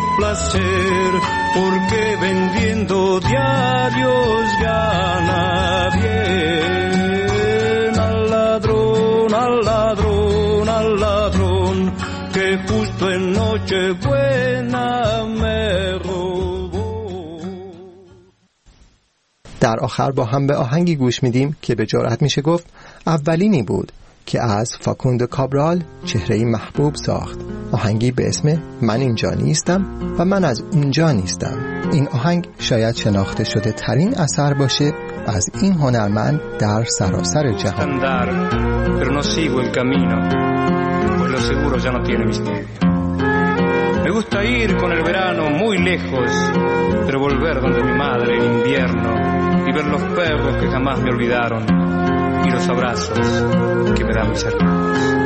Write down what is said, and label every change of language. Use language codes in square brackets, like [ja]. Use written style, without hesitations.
[es] Porque vendiendo diarios gana bien. Al ladrón, que justo en Nochebuena me robó. [fa] در آخر با هم به آهنگی گوش میدیم که به جرأت میشه گفت اولینی بود که از فاکوندو کابرال چهره محبوب ساخت، آهنگی به اسم من اینجا نیستم و من از اونجا نیستم. این آهنگ شاید شناخته شده ترین اثر باشه از این هنرمند در سراسر جهان. [es] Pero no sigo el camino, pues lo seguro ya no tiene misterio. Me gusta ir con el verano muy lejos, pero volver donde mi madre en invierno y ver los perros que jamás me olvidaron. Y los abrazos que me dan mis hermanos.